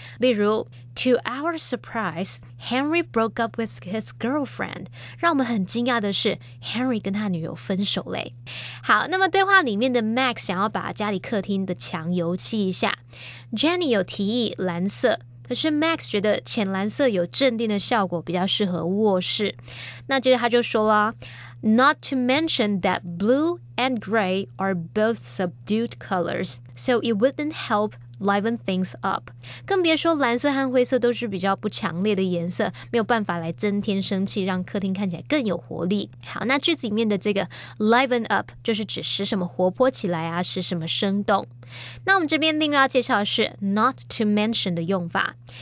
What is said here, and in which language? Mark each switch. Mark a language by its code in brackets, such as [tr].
[zh] 例如， [en] To our surprise, Henry broke up with his girlfriend. [zh] 让我们很惊讶的是， Henry 跟他女友分手嘞。好，那么对话里面的Max 想要把家里客厅的墙油漆一下， Jenny 有提议蓝色， 可是Max觉得浅蓝色有镇定的效果比较适合卧室。那接着他就说了， [en] Not to mention that blue and gray are both subdued colors, so it wouldn't help liven things up. [zh] 更别说蓝色和灰色都是比较不强烈的颜色， 没有办法来增添生气，让客厅看起来更有活力。好，那句子里面的这个 liven up 就是指使什么活泼起来啊， 使什么生动。那我们这边另外要介绍的是 not to mention 的用法。